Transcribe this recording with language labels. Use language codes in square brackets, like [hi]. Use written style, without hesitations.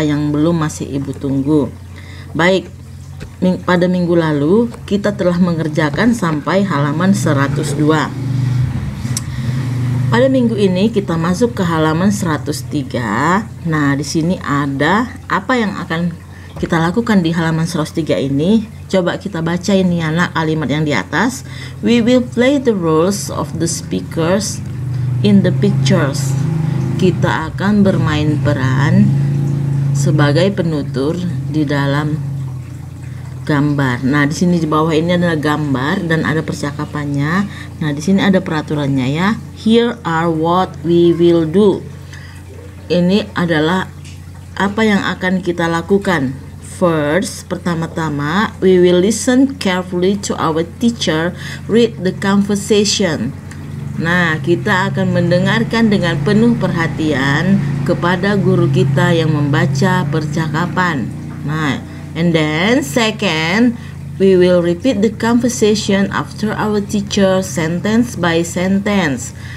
[id] Yang belum masih ibu tunggu. Baik, pada minggu lalu kita telah mengerjakan sampai halaman 102. Pada minggu ini kita masuk ke halaman 103. Nah, di sini ada apa yang akan kita lakukan di halaman 103 ini? Coba kita baca ini anak, kalimat yang di atas. [en] We will play the roles of the speakers in the pictures. [id] Kita akan bermain peran sebagai penutur di dalam gambar. Nah, di sini di bawah ini adalah gambar dan ada percakapannya. Nah, di sini ada peraturannya ya. [en] Here are what we will do. [id] Ini adalah apa yang akan kita lakukan. [en] First, [id] pertama-tama, [en] we will listen carefully to our teacher read the conversation. [id] Nah, kita akan mendengarkan dengan penuh perhatian kepada guru kita yang membaca percakapan. [en] Nah, and then second, we will repeat the conversation after our teacher sentence by sentence.